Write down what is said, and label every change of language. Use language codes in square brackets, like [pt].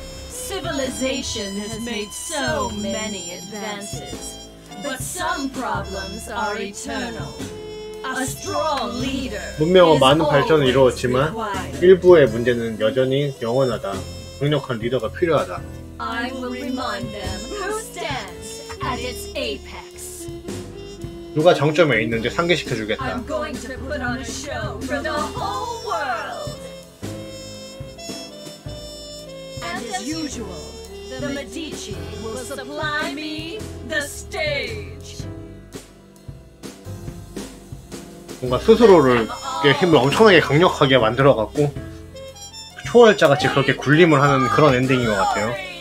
[en] 'Civilization has made so many advances, but some problems are eternal. A strong leader. [ko] 문명은 많은 발전을 이루었지만 일부의 문제는 여전히 영원하다. 강력한 리더가 필요하다. [en] I will remind them who stands at its apex. [ko] 누가 정점에 있는지 상기시켜 주겠다. [en] I'm going to put on a show for the whole world. And as usual, the Medici will supply me the stage. [ko] 뭔가 스스로를 힘을 엄청나게 강력하게 만들어 갖고 초월자 같이 그렇게 군림을 하는 그런 엔딩인 것 같아요.